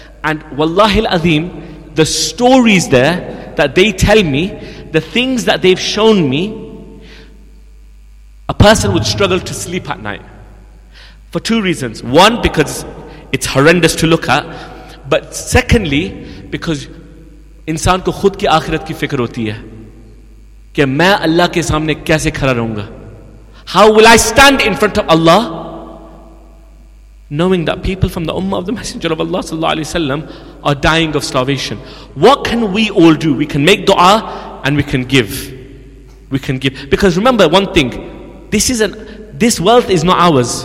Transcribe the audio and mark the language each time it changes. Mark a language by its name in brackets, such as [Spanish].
[English] And wallahi al-azim, the stories there that they tell me, the things that they've shown me, a person would struggle to sleep at night. For two reasons. One, because it's horrendous to look at. But secondly, because [Urdu] انسان کو خود کی آخرت کی فکر ہوتی ہے. کہ میں اللہ کے سامنے کیسے کھڑا رہوں گا؟ [English] How will I stand in front of Allah? Knowing that people from the Ummah of the Messenger of Allah sallallahu alayhi wa sallam are dying of starvation. What can we all do? We can make dua and we can give. We can give. Because remember one thing. This wealth is not ours.